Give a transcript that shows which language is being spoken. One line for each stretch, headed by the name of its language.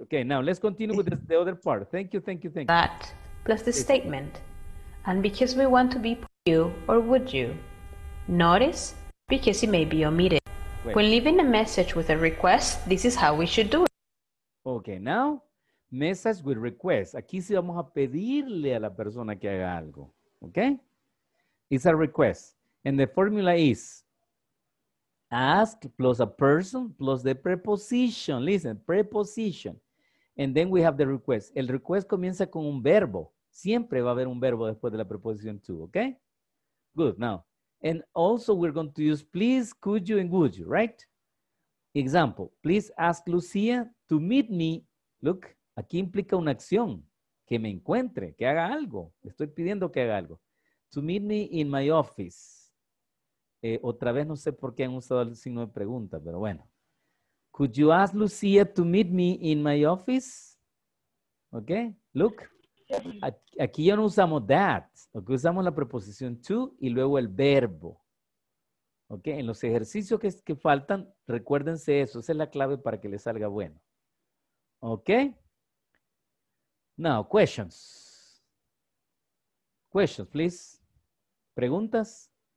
English: Okay, now let's continue with the other part. Thank you. That plus the statement. And because we want to be you or would you. Notice because it may be omitted. Wait. When leaving a message with a request, this is how we should do it. Okay, now message with request.
Spanish: Aquí sí vamos a pedirle a la persona que haga algo.
English: Okay? It's a request. And the formula is ask plus a person plus the preposition. Listen, preposition. And then we have the request.
Spanish: El request comienza con un verbo. Siempre va a haber un verbo después de la preposición to.
English: Okay? Good. Now, and also we're going to use please, could you, and would you, right? Example, please ask Lucia to meet me. Look,
Spanish: aquí implica una acción. Que me encuentre, que haga algo. Estoy pidiendo que haga algo.
English: To meet me in my office.
Spanish: Otra vez, no sé por qué han usado el signo de pregunta, pero bueno.
English: Could you ask Lucia to meet me in my office? Okay, look.
Spanish: Aquí ya no usamos that. Okay, usamos la preposición to y luego el verbo. Okay, en los ejercicios que faltan, recuérdense eso. Esa es la clave para que les salga bueno. Okay,
English: Now, questions. Questions, please. Preguntas.